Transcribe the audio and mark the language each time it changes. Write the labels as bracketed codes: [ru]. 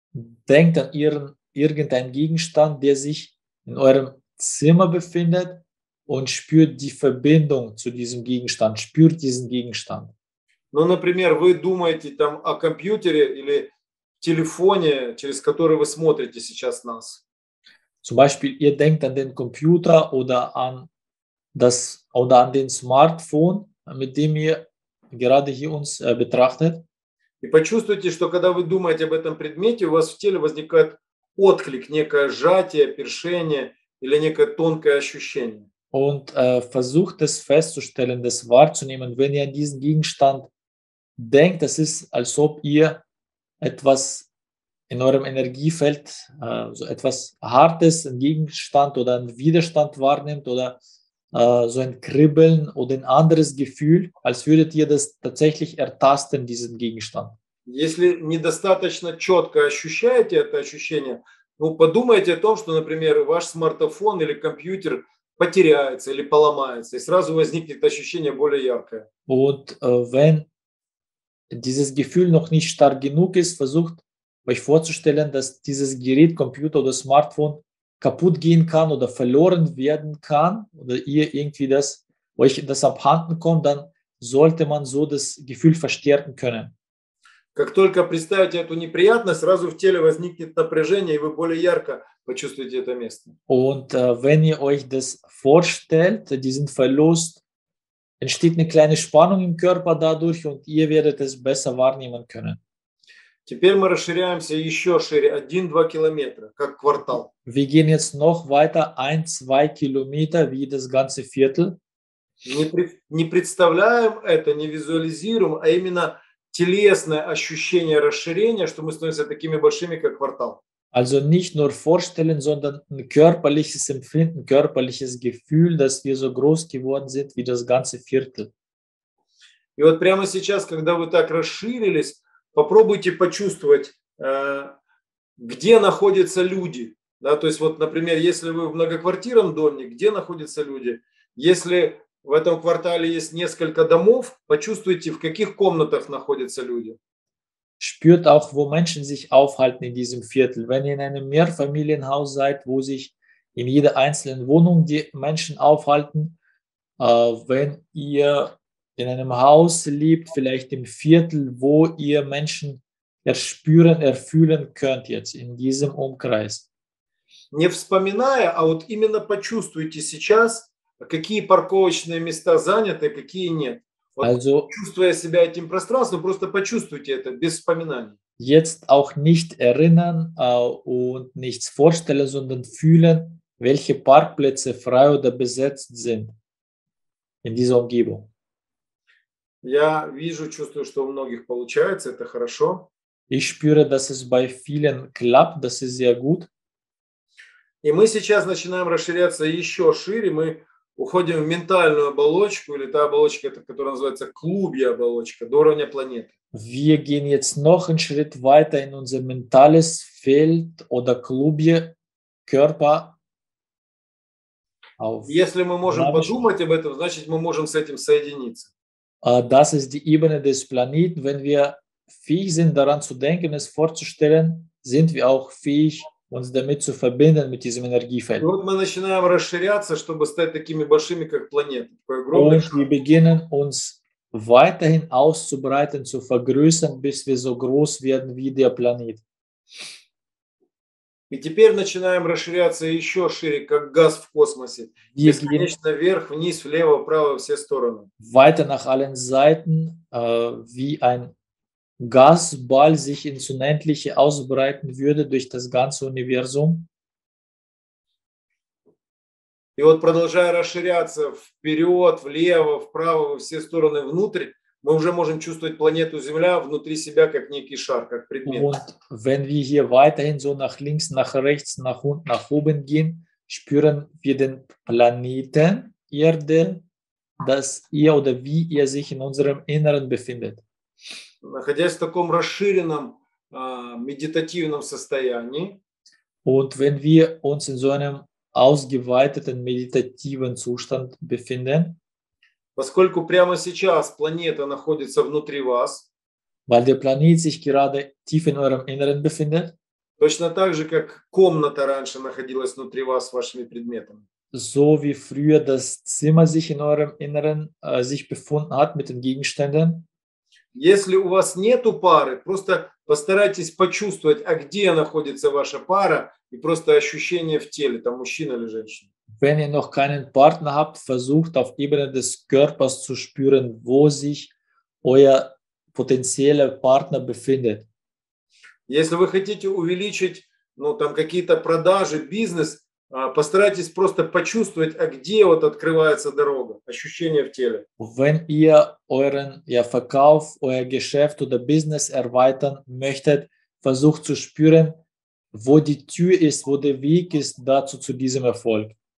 [de] Denkt an irgendeinen Gegenstand, der sich in eurem Zimmer befindet und spürt die Verbindung zu diesem Gegenstand, spürt diesen Gegenstand. [ru] Ну, например, вы думаете там о компьютере или телефоне, через который вы смотрите сейчас нас. [de] Zum Beispiel, ihr denkt an den Computer oder an das oder an den Smartphone, mit dem ihr gerade hier uns betrachtet. [ru] И почувствуйте, что когда вы думаете об этом предмете, у вас в теле возникает отклик, некое сжатие, першение или некое тонкое ощущение. [de] Und versucht es festzustellen, das wahrzunehmen, wenn ihr an diesen Gegenstand denkt, das ist, als ob ihr etwas in eurem Energiefeld, so etwas Hartes, ein Gegenstand oder einen Widerstand wahrnimmt oder so ein Kribbeln oder ein anderes Gefühl, als würdet ihr das tatsächlich ertasten, diesen Gegenstand. [ru] Если недостаточно четко ощущаете это ощущение, ну подумайте о том, что, например, ваш смартфон или компьютер потеряется или поломается, и сразу возникнет ощущение более яркое. [de] Und wenn dieses Gefühl noch nicht stark genug ist, versucht euch vorzustellen, dass dieses Gerät, Computer oder Smartphone kaputt gehen kann oder verloren werden kann oder ihr irgendwie das, euch das abhanden kommt, dann sollte man so das Gefühl verstärken können. [ru] Как только представите эту неприятность, сразу в теле возникнет напряжение, и вы более ярко почувствуете это место. [de] Und wenn ihr euch das vorstellt, diesen Verlust, entsteht eine kleine Spannung im Körper dadurch und ihr werdet es besser wahrnehmen können. [ru] Теперь мы расширяемся еще шире, 1-2 километра, как квартал. [de] Wir gehen jetzt noch weiter, 1-2 Kilometer, wie das ganze Viertel. [ru] Не представляем это, не визуализируем, а именно телесное ощущение расширения, что мы становимся такими большими, как квартал. [de] Also nicht nur vorstellen, sondern ein körperliches Empfinden, körperliches Gefühl, dass wir so groß geworden sind, wie das ganze Viertel. [ru] И вот прямо сейчас, когда вы так расширились, попробуйте почувствовать, где находятся люди. Да? То есть, вот, например, если вы в многоквартирном доме, где находятся люди? Если в этом квартале есть несколько домов, почувствуйте, в каких комнатах находятся люди. [de] Spürt auch, wo Menschen sich aufhalten in diesem Viertel. Wenn ihr in einem Mehrfamilienhaus seid, wo sich in jeder einzelnen Wohnung die Menschen aufhalten, wenn ihr in einem Haus lebt, vielleicht im Viertel, wo ihr Menschen erspüren, erfühlen könnt jetzt in diesem Umkreis. [ru] Не вспоминая, а вот именно почувствуйте сейчас, какие парковочные места заняты, какие нет. Вот, [de] also, [ru] чувствуя себя этим пространством, просто почувствуйте это без вспоминаний. [de] Jetzt auch nicht erinnern und nichts vorstellen, sondern fühlen, welche Parkplätze frei oder besetzt sind in dieser Umgebung. [ru] Я вижу, чувствую, что у многих получается, это хорошо. [de] Ich spüre, dass es bei vielen klappt, das ist sehr gut. [ru] И мы сейчас начинаем расширяться еще шире, мы уходим в ментальную оболочку, или та оболочка, которая называется клубья оболочка, до уровня планеты. [de] Wir gehen jetzt noch einen Schritt weiter in unser mentales Feld oder Klubje, Körper. [ru] Если мы можем подумать об этом, значит, мы можем с этим соединиться. [de] Das ist die Ebene des Planeten. Wenn wir fähig sind, daran zu denken, es vorzustellen, sind wir auch fähig, uns damit zu verbinden, mit diesem Energiefeld. Und wir beginnen uns weiterhin auszubreiten, zu vergrößern, bis wir so groß werden wie der Planet. [ru] И теперь начинаем расширяться еще шире, как газ в космосе. Бесконечно вверх, вниз, влево, вправо, все стороны. [de] Weiter nach allen Seiten, wie ein Gasball sich ins Unendliche ausbreiten würde durch das ganze Universum. [ru] И вот продолжая расширяться вперед, влево, вправо, во все стороны, внутрь, мы уже можем чувствовать планету Земля внутри себя как некий шар, как предмет. [de] Und wenn wir hier weiterhin so nach links, nach rechts, nach unten, nach oben gehen, spüren wir den Planeten Erde, dass er oder wie er sich in unserem Inneren befindet. [ru] Находясь в таком расширенном медитативном состоянии. [de] Und wenn wir uns in so einem ausgeweiteten meditativen Zustand befinden. [ru] Поскольку прямо сейчас планета находится внутри вас, [de] weil der Planet sich gerade tief in eurem Inneren befindet, [ru] точно так же, как комната раньше находилась внутри вас с вашими предметами. [de] So wie früher das Zimmer sich in eurem Inneren sich befunden hat mit den Gegenständen. [ru] Если у вас нету пары, просто постарайтесь почувствовать, а где находится ваша пара и просто ощущение в теле, там мужчина или женщина. [de] Wenn ihr noch keinen Partner habt, versucht auf Ebene des Körpers zu spüren, wo sich euer potenzieller Partner befindet. [ru] Если вы хотите увеличить, ну, там какие-то продажи, бизнес, постарайтесь просто почувствовать, а где вот открывается дорога, ощущение в теле. [de] Wenn ihr euren Verkauf, euer Geschäft oder Business erweitern möchtet, versucht zu spüren, wo die Tür ist, wo der Weg ist dazu zu diesem Erfolg.